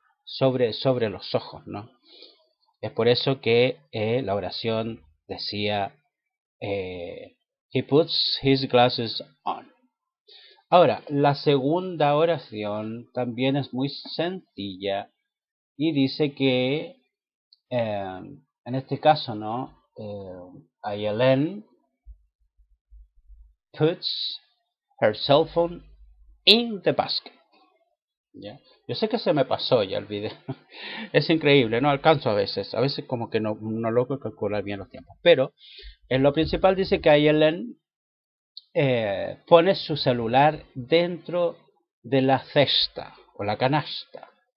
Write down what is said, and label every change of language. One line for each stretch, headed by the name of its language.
Spanish: Sobre los ojos, ¿no? Es por eso que la oración decía
English: he puts his glasses on.
Spanish: Ahora, la segunda oración también es muy sencilla y dice que en este caso, ¿no?
English: Ayelen puts her cell phone in the basket.
Spanish: ¿Ya? Yo sé que se me pasó ya el video. Es increíble, no alcanzo a veces. A veces como que no logro calcular bien los tiempos. Pero en lo principal dice que Ayelen pone su celular dentro de la cesta o la canasta.